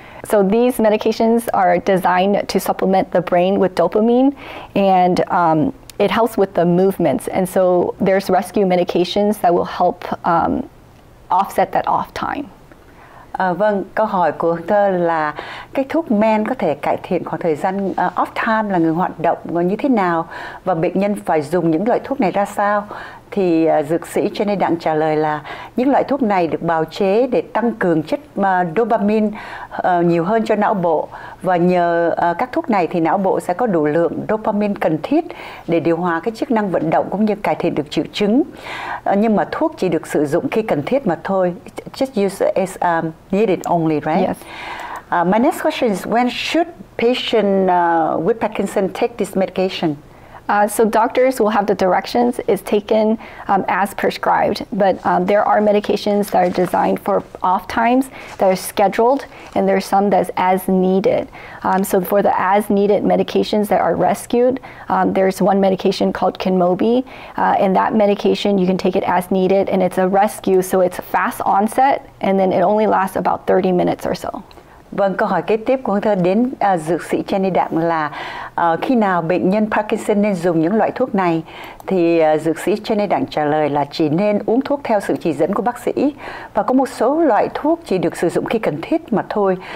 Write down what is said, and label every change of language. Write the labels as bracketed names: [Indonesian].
[English] So these medications are designed to supplement the brain with dopamine and it helps with the movements. And so there's rescue medications that will help offset that off time. [Vietnamese] Vâng, câu hỏi của Hương Thơ là cái thuốc men có thể cải thiện khoảng thời gian off time là ngừng hoạt động như thế nào và bệnh nhân phải dùng những loại thuốc này ra sao? Thì dược sĩ Jenny Đặng trả lời là những loại thuốc này được bào chế để tăng cường chất dopamine nhiều hơn cho não bộ và nhờ các thuốc này thì não bộ sẽ có đủ lượng dopamine cần thiết để điều hòa cái chức năng vận động cũng như cải thiện được triệu chứng. Nhưng mà thuốc chỉ được sử dụng khi cần thiết mà thôi. [English] Just use as needed only, right? Yes. My next question is, when should patient with Parkinson take this medication? So doctors will have the directions, it's taken as prescribed, but there are medications that are designed for off times that are scheduled, and there's some that's as needed. So for the as needed medications that are rescued, there's one medication called Kenmobi, and that medication, you can take it as needed, and it's a rescue, so it's fast onset, and then it only lasts about 30 minutes or so. [Vietnamese] Vâng, câu hỏi kế tiếp của Hương Thơ đến dược sĩ Jenny Đặng là khi nào bệnh nhân Parkinson nên dùng những loại thuốc này? Thì dược sĩ Jenny Đặng trả lời là chỉ nên uống thuốc theo sự chỉ dẫn của bác sĩ và có một số loại thuốc chỉ được sử dụng khi cần thiết mà thôi.